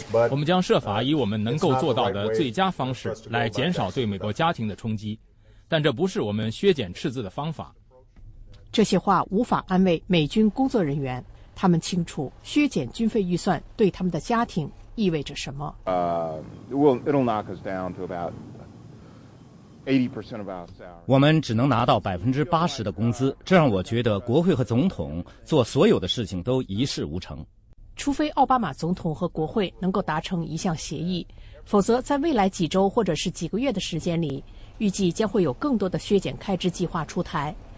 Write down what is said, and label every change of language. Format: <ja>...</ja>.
<zh>我们将设法以我们能够做到的最佳方式来减少对美国家庭的冲击，但这不是我们削减赤字的方法。这些话无法安慰美军工作人员，他们清楚削减军费预算对他们的家庭意味着什么。</zh> <en>It'll knock us down to about 80% of our salary.</en> <zh>我们只能拿到80%的工资，这让我觉得国会和总统做所有的事情都一事无成。除非奥巴马总统和国会能够达成一项协议，否则在未来几周或者是几个月的时间里，预计将会有更多的削减开支计划出台。</zh>